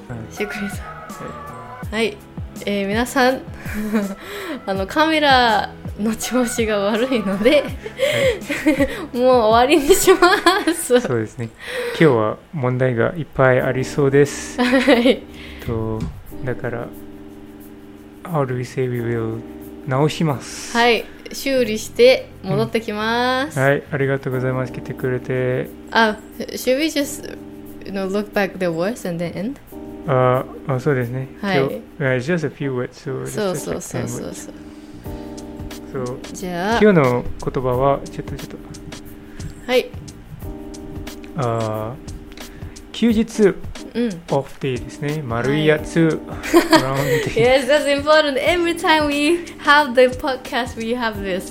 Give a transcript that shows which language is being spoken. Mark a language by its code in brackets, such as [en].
[ja] シクリさん、はい、はい、皆さんあのカメラの調子が悪いので、はい、もう終わりにします。そうですね、今日は問題がいっぱいありそうです、はい、 [en] とだから How do we say we will [ja] 直します。はい、修理して戻ってきます、うん、はい、ありがとうございます、来てくれて。 [en] あ、Should we just, you know, look back the words and then end? [ja] そうですね、はい、今日 [en] It's just a few words, so it's just like 10 words。 じゃあ [ja] 今日の言葉はちょっとはい、休日、うん、オフデーですね、丸いやつ、はい、ラウンデー。 [en] Yes, that's important. Every time we have the podcast, we have this.